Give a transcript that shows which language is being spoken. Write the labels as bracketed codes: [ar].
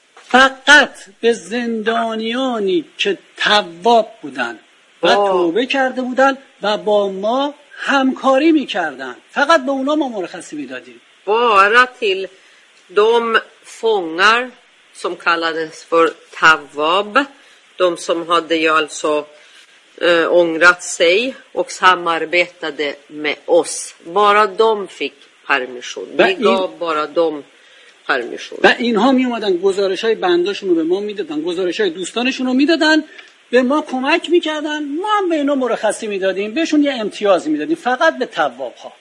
[fa] فقط به زندانیانی که تواب بودن و توبه کرده بودن و با ما همکاری میکردن. فقط به اونا ما مرخصی میدادیم. [sv] bara till de fångar som kallades för tawab, de som hade ju alltså ångrat sig och samarbetade med oss. bara de fick permission. vi gav bara de [fa] و اینها می اومدن گزارش های بنداشون رو به ما میدادن، گزارش های دوستانشون رو میدادن، به ما کمک میکردن، ما هم به اینا مرخصی میدادیم، بهشون یه امتیاز میدادیم فقط به تواب ها.